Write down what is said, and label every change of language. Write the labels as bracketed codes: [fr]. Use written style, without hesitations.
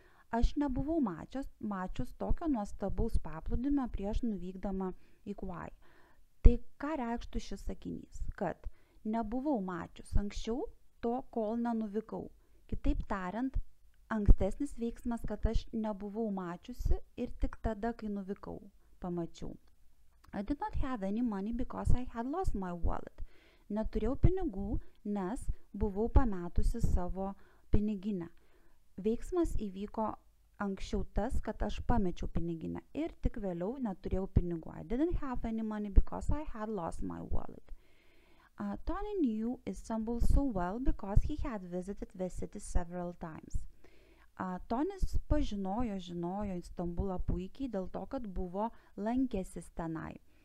[lt] Aš nebuvau mačius tokio nuostabaus paplūdimio prieš nuvykdama į Hawaii. Tai ką reikštų šis sakinys? Kad nebuvau mačius anksčiau to, kol nenuvykau. Kitaip tariant, ankstesnis veiksmas, kad aš nebuvau mačiusi ir tik tada, kai nuvykau, pamačiau. [en] I did not have any money because I had lost my wallet. [lt] Neturėjau pinigų, nes buvau pametusi savo piniginę. Veiksmas įvyko anksčiau tas, kad aš pamečiau piniginę ir tik vėliau neturėjau pinigų. [en] I didn't have any money because I had lost my wallet. Tony knew Istanbul so well because he had visited the city several times. [lt] Tonis žinojo Istanbulą puikiai dėl to, kad buvo lankęsis tenai.